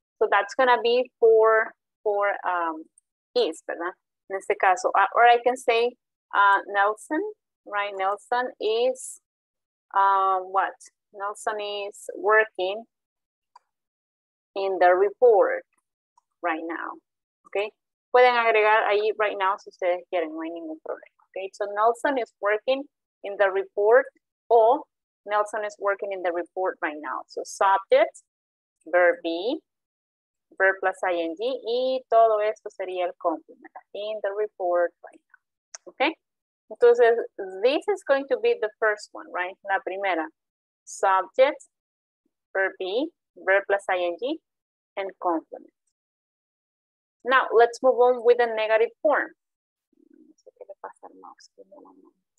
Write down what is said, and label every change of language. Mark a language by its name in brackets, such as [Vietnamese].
[English] So, that's gonna be for is, ¿verdad? [Spanish] En este caso, [English] or I can say Nelson, right? Nelson is what? Nelson is working in the report right now, okay? [Spanish] Pueden agregar ahí right now si ustedes quieren, no hay ningún problema, okay? [English] So Nelson is working in the report or Nelson is working in the report right now. So subject, verb be, verb plus ing, [Spanish] y todo esto sería el [English] complement in the report right now, okay? Entonces, this is going to be the first one, right? [Spanish] La primera. [English] Subject, verb be, verb plus ing, and complement. Now, let's move on with the negative form. [Spanish] No sé qué le pasa al mouse, que no lo mando.